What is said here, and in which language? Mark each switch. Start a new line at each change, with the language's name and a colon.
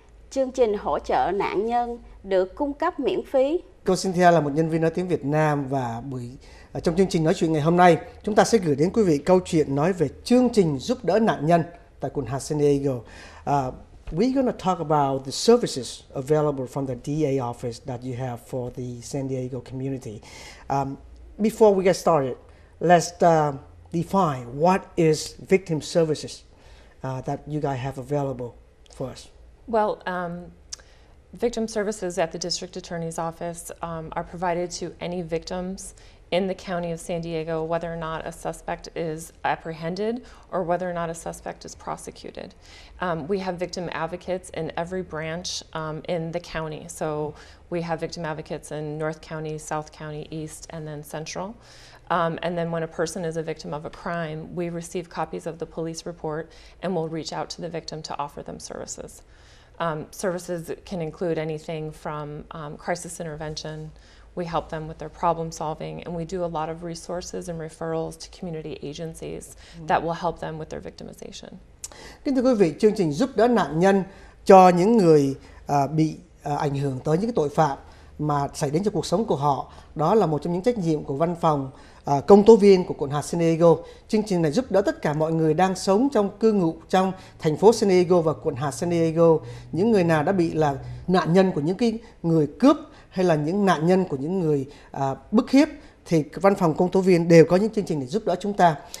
Vietnamese: Chương trình hỗ trợ nạn nhân được cung cấp miễn phí. Cô Cynthia là một nhân viên nói tiếng Việt Nam và trong chương trình nói chuyện ngày hôm nay, chúng ta sẽ gửi đến quý vị câu chuyện nói về chương trình giúp đỡ nạn nhân tại quận hạt San Diego.
English: We're going to talk about the services available from the DA office that you have for the San Diego community. Before we get started, let's define what is victim services that you guys have available for us. Well, victim services at the district attorney's office are provided to any victims in the county of San Diego, whether or not a suspect is apprehended or whether or not a suspect is prosecuted. We have victim advocates in every branch in the county. So we have victim advocates in North County, South County, East, and then Central. And then when a person is a victim of a crime, we receive copies of the police report and we'll reach out to the victim to offer them services. Services can include anything from crisis intervention. We help them with their problem solving, and we do a lot of resources and referrals to community agencies that will help them with their victimization.
Vietnamese: Kính thưa quý vị, chương trình giúp đỡ nạn nhân cho những người bị ảnh hưởng tới những cái tội phạm mà xảy đến cho cuộc sống của họ, đó là một trong những trách nhiệm của văn phòng công tố viên của quận hạt San Diego. Chương trình này giúp đỡ tất cả mọi người đang sống trong cư ngụ trong thành phố San Diego và quận hạt San Diego, những người nào đã bị là nạn nhân của những cái người cướp hay là những nạn nhân của những người bức hiếp, thì văn phòng công tố viên đều có những chương trình để giúp đỡ chúng ta.